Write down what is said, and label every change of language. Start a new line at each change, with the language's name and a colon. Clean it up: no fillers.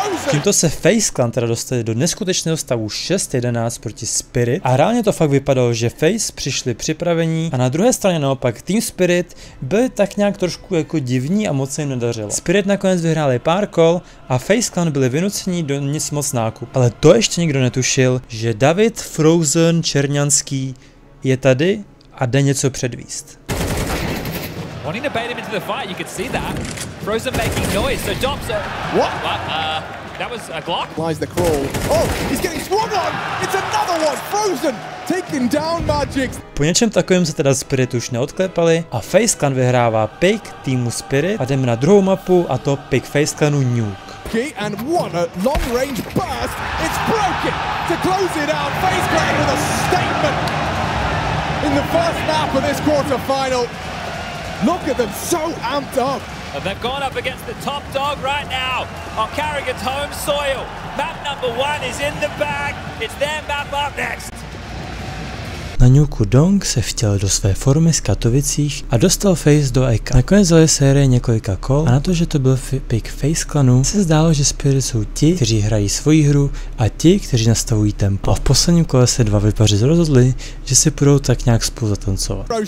Czech: Tímto se FaZe Clan teda dostali do neskutečného stavu 6-11 proti Spirit a reálně to fakt vypadalo, že FaZe přišli připravení a na druhé straně naopak Team Spirit byli tak nějak trošku jako divní a moc se jim nedařilo. Spirit nakonec vyhráli pár kol a FaZe Clan byli vynuceni do nic moc nákup. Ale to ještě nikdo netušil, že David Frozen Černianský je tady a jde něco předvíst.
English: Wanting to bait him into the fight, you could see that. Frozen making noise, so Dobson. What? That was a Glock? Lies the crawl. Oh, he's getting swung on! It's another one! Frozen! Taking down magic!
Czech: Po něčem takovém se teda Spirit už neodklepali a FaZe Clan vyhrává pick týmu Spirit a jdeme na druhou mapu a to pick FaZe Clanu Nuke.
English: And what a long range burst! It's broken! To close it out, FaZe Clan with a statement! In the first map of this quarter final. Look at them, so amped up! And they've gone up against the top dog right now on Carrigan's home soil. Map number one is in the bag. It's their map up next.
Czech: Na Nuku Dong se vtěl do své formy z Katovicích a dostal FaZe do Eka. Nakonec zaly série několika kol a na to, že to byl pick FaZe Clanu, se zdálo, že Spirit jsou ti, kteří hrají svoji hru a ti, kteří nastavují tempo. A v posledním kole se dva vypaři rozhodli, že si půjdou tak nějak spolu zatancovat.